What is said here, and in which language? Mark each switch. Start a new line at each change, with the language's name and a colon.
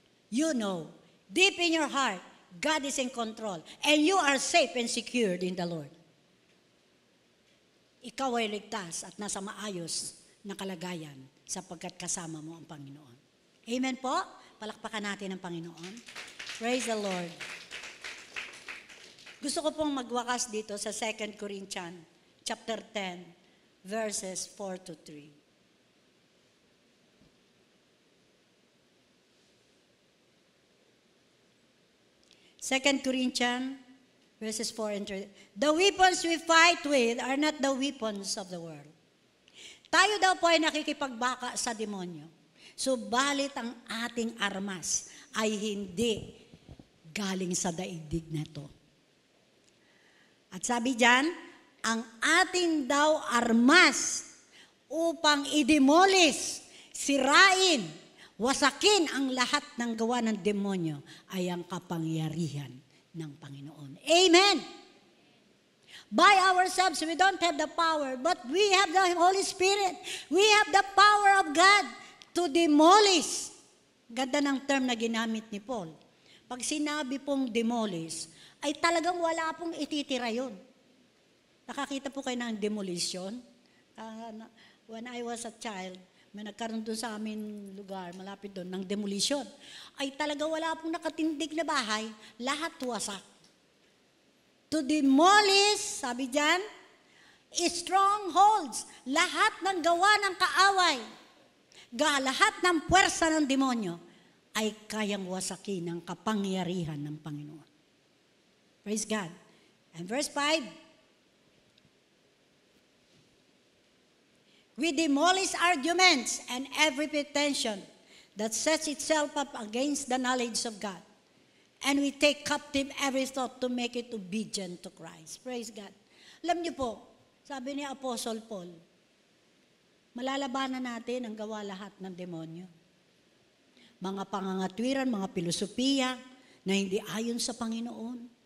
English: You know, deep in your heart, God is in control and you are safe and secured in the Lord.
Filipino: Ikaw ay ligtas at nasa maayos na kalagayan sapagkat kasama mo ang Panginoon. Amen po? Palakpakan natin ang Panginoon.
English: Praise the Lord.
Filipino: Gusto ko pong magwakas dito sa 2 Corinthians chapter 10, verses 4 to 3.
English: Second Corinthians, verses 4 and 3. The weapons we fight with are not the weapons of the world.
Filipino: Tayo daw po ay nakikipagbaka sa demonyo. Subalit ang ating armas ay hindi galing sa daigdig na ito. At sabi dyan, ang ating daw armas upang idemolis, sirain, wasakin ang lahat ng gawa ng demonyo ay ang kapangyarihan ng Panginoon. Amen!
English: By ourselves, we don't have the power, but we have the Holy Spirit. We have the power of God to demolish.
Filipino: Ganda ng term na ginamit ni Paul. Pag sinabi pong demolish, ay talagang wala pong ititira yun. Nakakita po kayo ng demolition?
English: When I was a child,
Filipino: may nagkaroon doon sa amin lugar, malapit doon, ng demolisyon. Ay talaga wala pong nakatindig na bahay, lahat wasak. To demolish, sabi dyan, strongholds, lahat ng gawa ng kaaway, lahat ng puwersa ng demonyo, ay kayang wasakin ang kapangyarihan ng Panginoon.
English: Praise God. And verse 5, we demolish arguments and every pretension that sets itself up against the knowledge of God. And we take captive every thought to make it obedient to Christ. Praise God.
Filipino: Alam niyo po, sabi ni Apostle Paul, malalabanan natin ang gawa lahat ng demonyo. Mga pangangatwiran, mga pilosopiya na hindi ayon sa Panginoon.